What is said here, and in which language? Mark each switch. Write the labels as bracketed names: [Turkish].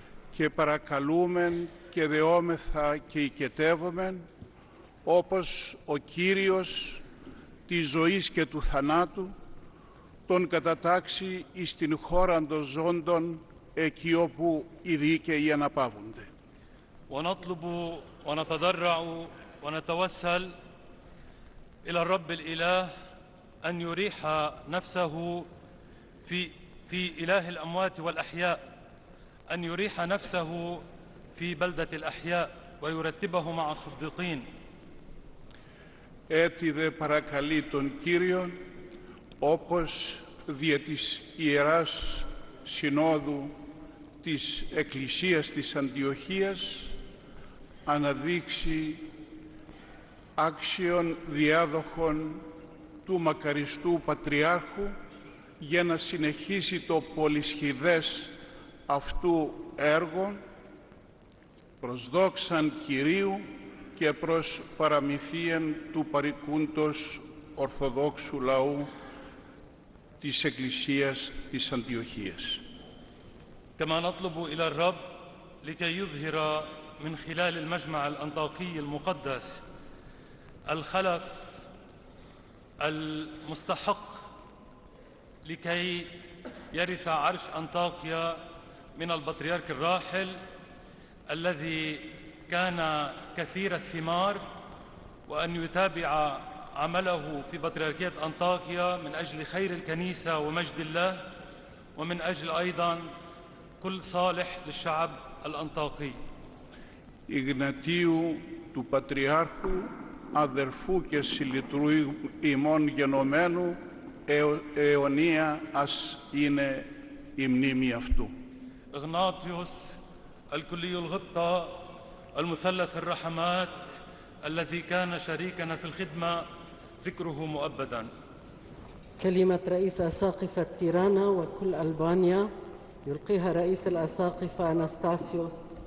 [Greek] Και παρακαλούμεν και δεόμεθα και οικετεύομεν όπως ο Κύριος της ζωής και του θανάτου τον κατατάξει εις την χώραν των ζώντων εκεί όπου οι δίκαιοι αναπαύονται. [Arabic] ونطلبوا ونتضرع ونتوسل إلى الرب الإله أن يريح نفسه في إله الأموات والأحياء، أن يريح نفسه في بلدة الأحياء. ويرتبه مع الصديقين. [Greek] Έτι δε παρακαλεί τον Κύριον, όπως δια της Ιεράς Συνόδου της Εκκλησίας της Αντιοχίας αναδείξει άξιον διάδοχον του μακαριστού Πατριάρχου για να συνεχίσει το πολυσχηδές αυτού έργο προς δόξαν Κυρίου και προς παραμυθίαν του παρικούντος Ορθοδόξου λαού της Εκκλησίας της Αντιοχίας. [Arabic] كما نطلب إلى الرب لكي يظهر من خلال المجمع الأنطاكي المقدس الخلف المستحق لكي يرث عرش أنطاكيا من البطريرك الراحل الذي كان كثير الثمار وأن يتابع عمله في بطريركية أنطاكيا من أجل خير الكنيسة ومجد الله ومن أجل أيضاً كل صالح للشعب الأنطاكي. [Greek] Ιγνατίου του Πατριάρχου, αδερφού και συλλητρού ημών γενωμένου, αιωνία ας είναι η μνήμη αυτού. [Arabic] Ιγνάτιος, الكلي الغطى, المثلث الرحمات, الذي كان شريكنا في الخدمة, ذكره مؤبداً. كلمة رئيس أساقفة تيرانا وكل ألبانيا يلقيها رئيس الأساقفة أناستاسيوس.